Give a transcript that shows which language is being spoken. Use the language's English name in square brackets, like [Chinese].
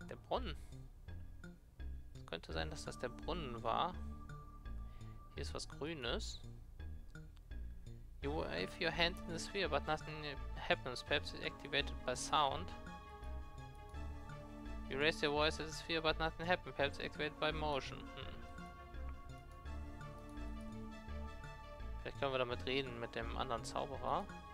[German] Der Brunnen. Es könnte sein, dass das der Brunnen war. Hier ist was Grünes. [English] You wave your hand in the sphere, but nothing happens. Perhaps it's activated by sound. You raise your voice in the sphere, but nothing happens. Perhaps it's activated by motion. Hm. [German] Vielleicht können wir damit reden mit dem anderen Zauberer.